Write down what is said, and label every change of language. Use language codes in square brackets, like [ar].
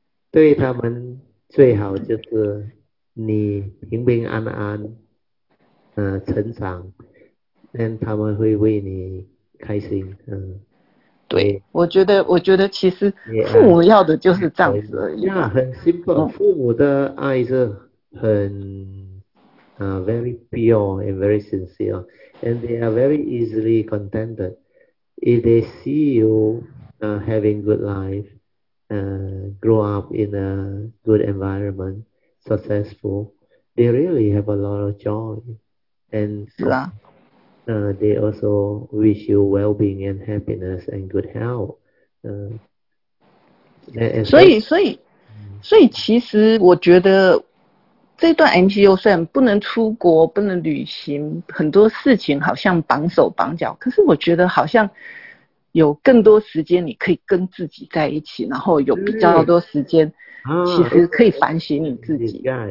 [zh] 对他们最好就是你平平安安，成长，那他们会为你开心，对，我觉得其实父母要的就是这样子而已。很 simple，父母的爱是很。 [en] Very pure and very sincere, and they are very easily contented. If they see you having good life, grow up in a good environment, successful, they really have a lot of joy, and [zh] 是啊， [en] they also wish you well-being and happiness and good health. And so. [zh] 所以，其实我觉得这段 MCO 虽然不能出国、不能旅行，很多事情好像绑手绑脚，可是我觉得好像有更多时间你可以跟自己在一起，然后有比较多时间，其实可以反省你自己。